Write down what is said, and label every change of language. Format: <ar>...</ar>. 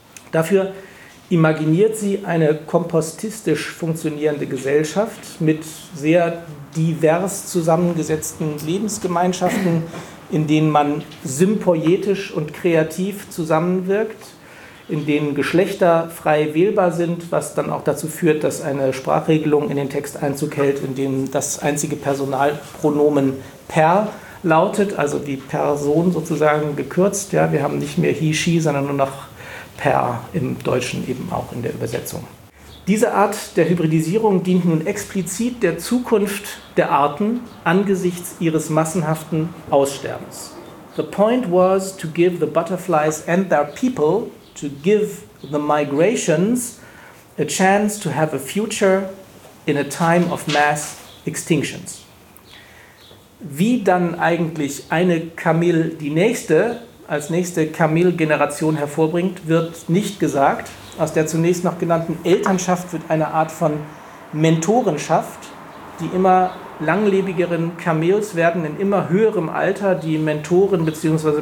<de>Dafür imaginiert sie eine kompostistisch funktionierende Gesellschaft mit sehr divers zusammengesetzten Lebensgemeinschaften, in denen man sympoietisch und kreativ zusammenwirkt, in denen Geschlechter frei wählbar sind, was dann auch dazu führt, dass eine Sprachregelung in den Text Einzug hält, in dem das einzige Personalpronomen per lautet, also die Person sozusagen gekürzt. Ja, wir haben nicht mehr he, she, sondern nur noch per im Deutschen eben auch in der Übersetzung. Diese Art der Hybridisierung dient nun explizit der Zukunft der Arten angesichts ihres massenhaften Aussterbens.</de> <en>The point was to give the butterflies and their people, to give the migrations a chance to have a future in a time of mass extinctions.</en> <de>Wie dann eigentlich eine Kamille die nächste, als nächste Kamille-Generation hervorbringt, wird nicht gesagt. Aus der zunächst noch genannten Elternschaft wird eine Art von Mentorenschaft. Die immer langlebigeren Kamels werden in immer höherem Alter die Mentoren bzw.</de>